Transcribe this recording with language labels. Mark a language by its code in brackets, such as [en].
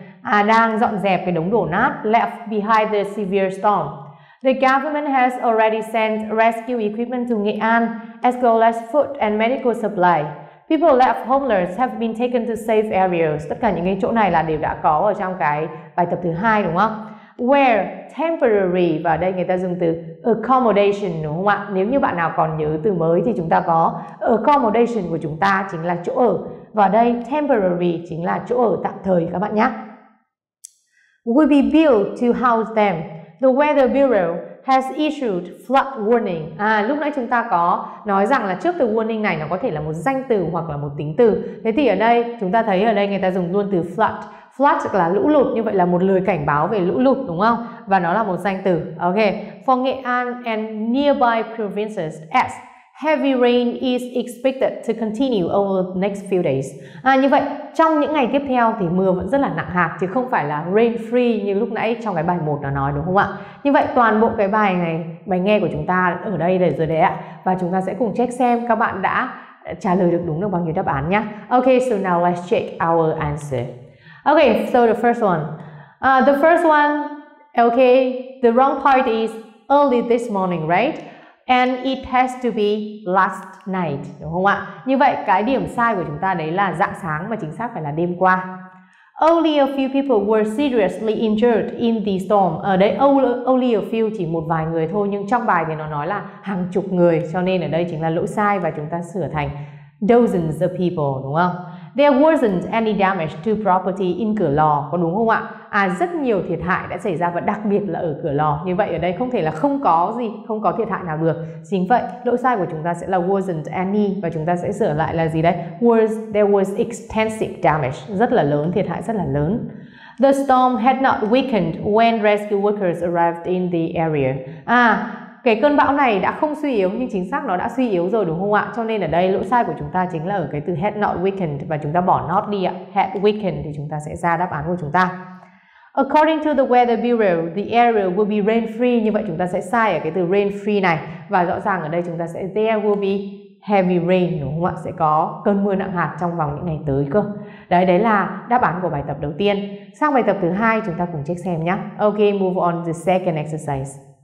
[vi] À, đang dọn dẹp cái đống đổ nát [en] left behind the severe storm. The government has already sent rescue equipment to Nghệ An as well as food and medical supply. People left homeless have been taken to safe areas. [vi] Tất cả những cái chỗ này là đều đã có ở trong cái bài tập thứ hai, đúng không? [en] Where temporary, [vi] và ở đây người ta dùng từ accommodation, đúng không ạ? Nếu như bạn nào còn nhớ từ mới thì chúng ta có accommodation của chúng ta chính là chỗ ở. Và đây temporary chính là chỗ ở tạm thời các bạn nhé. [en] Will be built to house them. The Weather Bureau has issued flood warning. [vi] À, lúc nãy chúng ta có nói rằng là trước từ warning này nó có thể là một danh từ hoặc là một tính từ. Thế thì ở đây chúng ta thấy ở đây người ta dùng luôn từ flood. Flood là lũ lụt, như vậy là một lời cảnh báo về lũ lụt, đúng không? Và nó là một danh từ. [en] Ok, for Nghệ An and nearby provinces as heavy rain is expected to continue over the next few days. [vi] À, như vậy trong những ngày tiếp theo thì mưa vẫn rất là nặng hạt, chứ không phải là rain free như lúc nãy trong cái bài 1 nó nói, đúng không ạ? Như vậy toàn bộ cái bài này, bài nghe của chúng ta ở đây để rồi đấy ạ. Và chúng ta sẽ cùng check xem các bạn đã trả lời được đúng được bao nhiêu đáp án nhé. [en] Ok, so now let's check our answer. Ok, so the first one. The first one, ok, the wrong part is early this morning, right? And it has to be last night, [vi] đúng không ạ? Như vậy cái điểm sai của chúng ta đấy là rạng sáng, mà chính xác phải là đêm qua. [en] Only a few people were seriously injured in the storm. [vi] Ở đây [en] only a few [vi] chỉ một vài người thôi, nhưng trong bài thì nó nói là hàng chục người, cho nên ở đây chính là lỗi sai và chúng ta sửa thành [en] dozens of people, [vi] đúng không? [en] There wasn't any damage to property in [vi] cửa lò, có đúng không ạ? rất nhiều thiệt hại đã xảy ra và đặc biệt là ở cửa lò. Như vậy ở đây không thể là không có gì, không có thiệt hại nào được. Chính vậy, lỗi sai của chúng ta sẽ là wasn't any và chúng ta sẽ sửa lại là gì đây? [en] There was extensive damage, [vi] rất là lớn, thiệt hại rất là lớn. [en] The storm had not weakened when rescue workers arrived in the area. [vi] Cái cơn bão này đã không suy yếu, nhưng chính xác nó đã suy yếu rồi đúng không ạ? Cho nên ở đây lỗi sai của chúng ta chính là ở cái từ had not weakened và chúng ta bỏ not đi ạ. [en] Had weakened [vi] thì chúng ta sẽ ra đáp án của chúng ta. [en] According to the weather bureau, the area will be rain free. [vi] Như vậy chúng ta sẽ sai ở cái từ rain free này. Và rõ ràng ở đây chúng ta sẽ [en] there will be heavy rain [vi] đúng không ạ? Sẽ có cơn mưa nặng hạt trong vòng những ngày tới cơ. Đấy là đáp án của bài tập đầu tiên. Sang bài tập thứ hai chúng ta cùng check xem nhé. [en] Ok, move on to the second exercise.